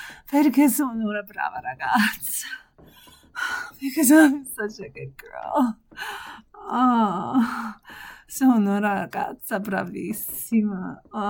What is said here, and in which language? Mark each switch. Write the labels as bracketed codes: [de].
[it] Perché sono una brava ragazza. [en] Because I'm such a good girl. [it] Oh, sono una ragazza bravissima.